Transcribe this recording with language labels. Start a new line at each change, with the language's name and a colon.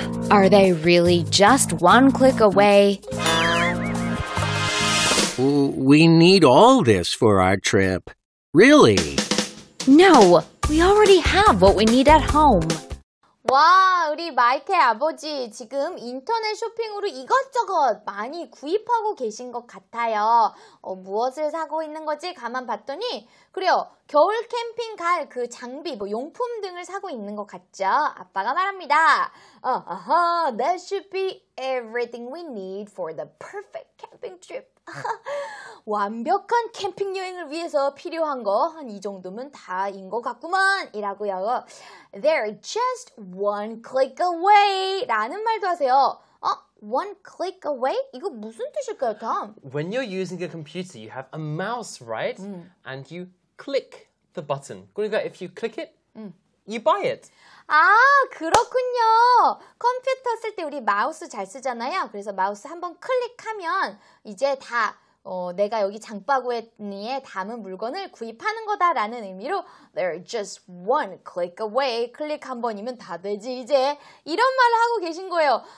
English: Are they really just one click away? We need all this for our trip. Really? No, we already have what we need at home.
Korean: 와, 우리 마이크의 아버지 지금 인터넷 쇼핑으로 이것저것 많이 구입하고 계신 것 같아요. 무엇을 사고 있는 거지? 가만 봤더니 그래요. 겨울 캠핑 갈 그 장비, 뭐 용품 등을 사고 있는 것 같죠? 아빠가 말합니다.
English: That should be everything we need for the perfect camping trip.
Korean: 완벽한 캠핑 여행을 위해서 필요한 거 한 이 정도면 다인 것 같구만 이라고요.
English: They're just one click away
Korean: 라는 말도 하세요. 어?
English: One click away?
Korean: 이거 무슨 뜻일까요, Tom?
English: When you're using a computer, you have a mouse, right? And you click the button. 그러니까 if you click it, you buy it.
Korean: 아, 그렇군요. 컴퓨터 쓸 때 우리 마우스 잘 쓰잖아요. 그래서 마우스 한번 클릭하면 이제 다 내가 여기 장바구니에 담은 물건을 구입하는 거다라는 의미로
English: They're just one click away.
Korean: 클릭 한 번이면 다 되지 이제. 이런 말을 하고 계신 거예요.